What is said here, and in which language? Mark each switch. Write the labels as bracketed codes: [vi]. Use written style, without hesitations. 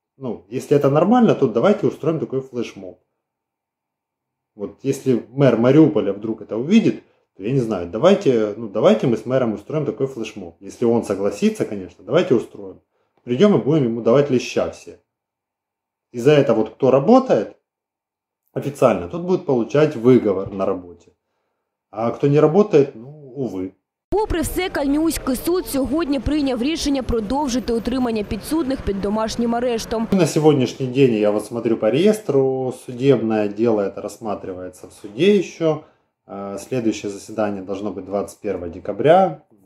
[ru] Ну, если это нормально, то давайте устроим такой флешмоб. Вот если мэр Мариуполя вдруг это увидит, то я не знаю, давайте мы с мэром устроим такой флешмоб. Если он согласится, конечно, давайте устроим. Придем и будем ему давать леща все. И за это вот кто работает официально, тот будет получать выговор на работе. А кто не работает, ну, увы. [uk] Попри все, Кальмиуський суд сьогодні прийняв рішення продовжити утримання підсудних під домашнім арештом. На сьогоднішній день, [ru] я вот смотрю [uk] по реєстру, судебне діло це розглядається в суді ще. [ru] Следующее засідання должно бути 21 декабря.